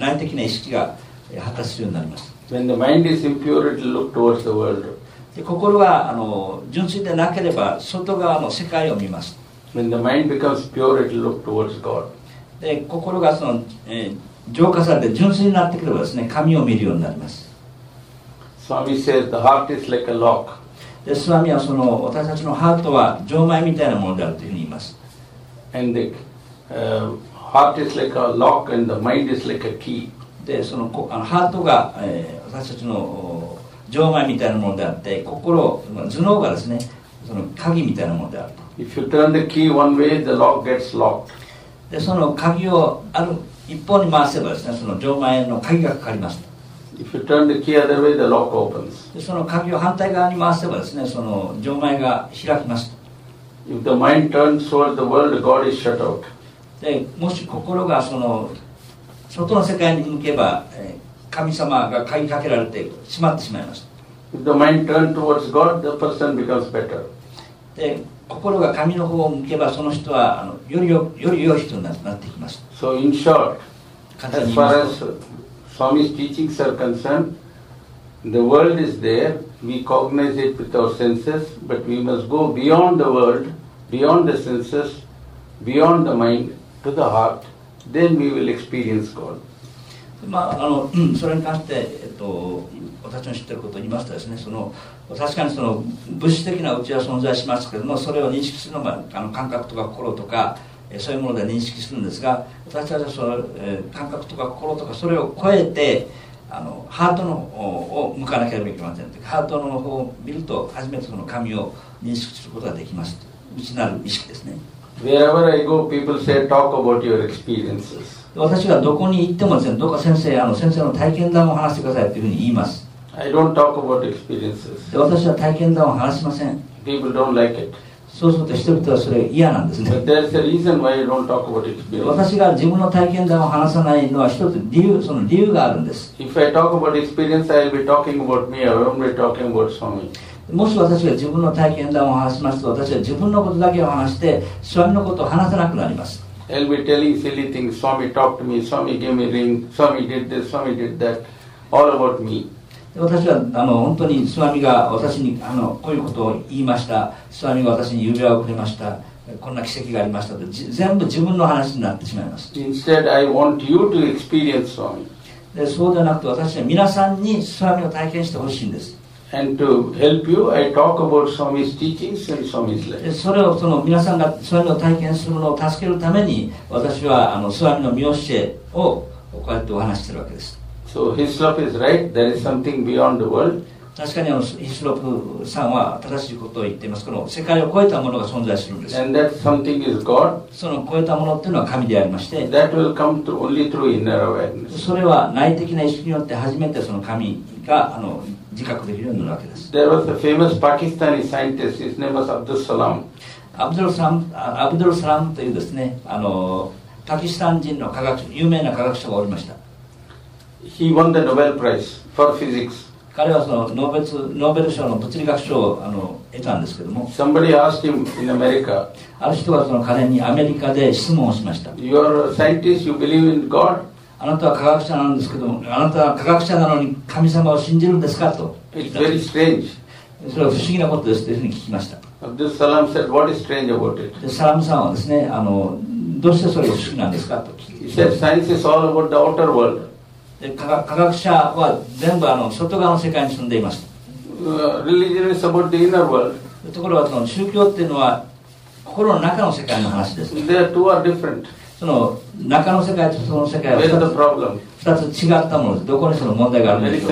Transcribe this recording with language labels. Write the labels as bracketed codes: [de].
[ja] 内的な意識が発達するようになります。 [en] When the mind is impure, it will look towards the world. [ja] で、心が純粋でなければ外側の世界を見ます。 [en] When the mind becomes pure, it will look towards God. [ja] で、心がその、浄化されて純粋になってくればですね、神を見るようになります。 [en] Swami says the heart is like a lock. [ja] で、スワミはその私たちのハートは錠前みたいなものであるというふうに言います。 [en] And the heart is like a lock, and the mind is like a key. [ja] でそのハートが、私たちの錠前みたいなものであって心、頭脳がですねその鍵みたいなものであると。 [en] If you turn the key one way, the lock gets locked. [ja] でその鍵をある一方に回せばですね、その錠前の鍵がかかります。 [en] If you turn the key other way, the lock opens. [ja] でその鍵を反対側に回せばですね、その錠前が開きます。 [en] If the mind turns toward the world, God is shut out. [ja] でもし心がその外の世界に向けば、神様が鍵かけられて閉まってしまいます。 [en] If the mind turns towards God, the person becomes better. [ja] で心が神の方を向けば、その人はより良い人になってきます。 [en] So in short, as far as Swami's teachings are concerned, the world is there, we cognize it with our senses, but we must go beyond the world, beyond the senses, beyond the mind, to the heart, then we will experience God. [ja] それに関して、私の知っていることを言いますとですね、その確かにその物質的なうちは存在しますけれども、それを認識するのが感覚とか心とか、そういうもので認識するんですが、私たちはその、感覚とか心とかそれを超えてハートの方を向かなければいけません。ハートの方を見ると初めてその神を認識することができます。内なる意識ですね。 [en] Wherever I go, people say, talk about your experiences. [ja] 私がどこに行ってもですね、どうか先生、先生の体験談を話してくださいというふうに言います。 [en] I don't talk about experiences. [ja] で私は体験談を話しません。 [en] People don't like it. [ja] そうすると人々はそれ嫌なんですね。 [en] But there's a reason why you don't talk about experience. [ja] 私が自分の体験談を話さないのは一つ理由、その理由があるんです。 [en] If I talk about experience, I'll be talking about me. I won't be talking about Swami. [ja] もし私が自分の体験談を話しますと、私は自分のことだけを話して、Swami のことを話さなくなります。 [en] I'll be telling silly things. Swami talked to me. Swami gave me ring. Swami did this. Swami did that. All about me. [ja] 私は本当にスワミが私にこういうことを言いました、スワミが私に指輪をくれました、こんな奇跡がありましたと、全部自分の話になってしまいます。 [en] Instead, I want you to experience Swami. [ja] でそうではなくて、私は皆さんにスワミを体験してほしいんです。 [en] And to help you, I talk about Swami's teachings and Swami's life. [ja] でそれをその皆さんがスワミを体験するのを助けるために、私はスワミの御教えをこうやってお話しているわけです。 [en] So his love is right. There is something beyond the world. [ja] 確かにヒスロプさんは正しいことを言っています。この世界を超えたものが存在するんです。 [en] And that something is God. [ja] その超えたものっていうのは神でありまして。 [en] That will come through only through inner awareness. [ja] それは内的な意識によって初めてその神が自覚できるようになるわけです。 [en] There was a famous Pakistani scientist. His name was Abdul Salam. [ja] Abdul Salam というですね、パキスタン人の科学者、有名な科学者がおりました。 [en] He won the Nobel Prize for physics. [ja] 彼はそのノーベル賞の物理学賞を得たんですけども。 [en] Somebody asked him in America. [ja] ある人がその彼にアメリカで質問をしました。 [en] You are a scientist. You believe in God? [ja] あなたは科学者なんですけども、あなたは科学者なのに神様を信じるんですかと。 [en] It's very strange. [ja] それは不思議なことですというふうに聞きました。 [en] Abdul Salam said, "What is strange about it?" [ja] で、サラムさんはですね、どうしてそれが不思議なんですかと聞いて。 [en] He said, "Science is all about the outer world." [ja] 科学者は全部外側の世界に住んでいます。 [en] Religion is about the inner world. [ja] ところが宗教っていうのは心の中の世界の話です。 [en] There two are different. [ja] その中の世界とその世界は [en] Where's the problem? [ja] 2つ違ったものです。どこにその問題があるんでしょう。